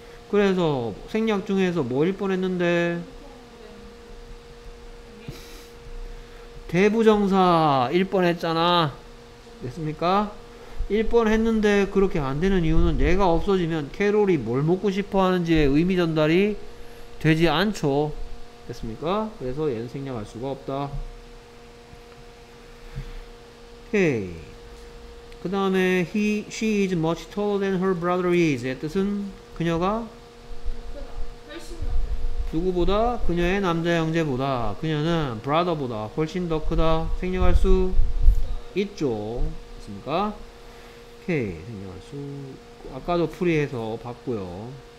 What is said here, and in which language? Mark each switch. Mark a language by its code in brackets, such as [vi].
[ko] 그래서 생략 중에서 뭐일 뻔했는데 대부정사 1번 했잖아. 됐습니까? 1번 했는데 그렇게 안 되는 이유는 얘가 없어지면 캐롤이 뭘 먹고 싶어 하는지의 의미 전달이 되지 않죠. 됐습니까? 그래서 얘는 생략할 수가 없다. 오케이. 그 다음에 [en] she is much taller than her brother is. [ko] 의 뜻은 그녀가 누구보다? 그녀의 남자 형제보다. 그녀는 브라더보다 훨씬 더 크다. 생략할 수 있죠. 됐습니까? 오케이. 생략할 수. 아까도 풀이해서 봤고요.